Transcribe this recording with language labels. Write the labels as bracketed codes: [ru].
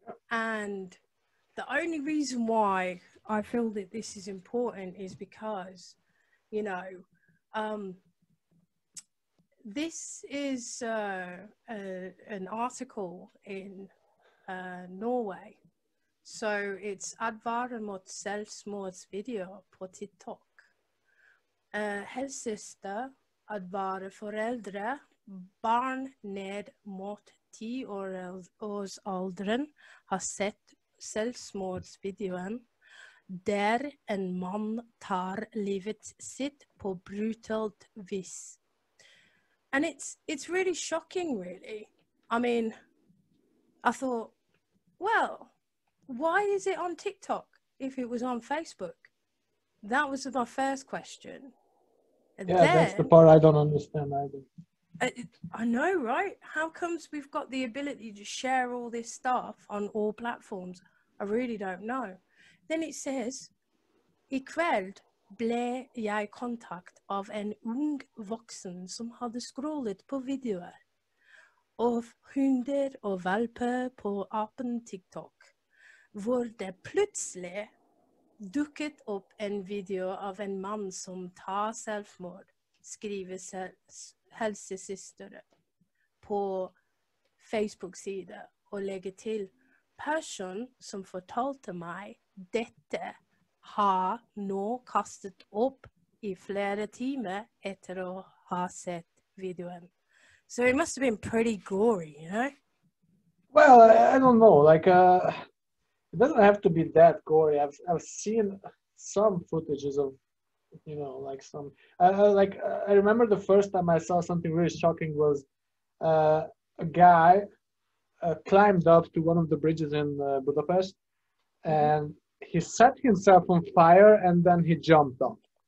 [en] And the only reason why I feel that this is important is because, you know, this is an article in Norway. So it's [no] Advaren mot selvmords video på TikTok. Helsesøster advarer foreldre barn ned mot 10 års alderen har sett selvmordsvideoen der en mann tar livet sitt på brutalt vis. [en] And it's really shocking, really. I mean, I thought, well, why is it on TikTok if it was on Facebook? That was my first question. And yeah, then, that's the part I don't understand either. I know, right? How comes we've got the ability to share all this stuff on all platforms? I really don't know. Then it says, [no] I kveld ble jeg kontakt av en ung voksen som hadde scrollet på videoer av hunder og valper på appen TikTok, hvor det plutselig dukket opp en video av en mann som tar selvmord, skriver helsesøsteren på Facebook-siden og legger til person som fortalte meg dette har nå kastet opp I flere timer etter å ha sett videoen. [en] So it must have been pretty gory, you know? Well, I don't know. Like, it doesn't have to be that gory. I've seen some footages of, you know, like some... I remember the first time I saw something really shocking was a guy climbed up to one of the bridges in Budapest and he set himself on fire and then he jumped off.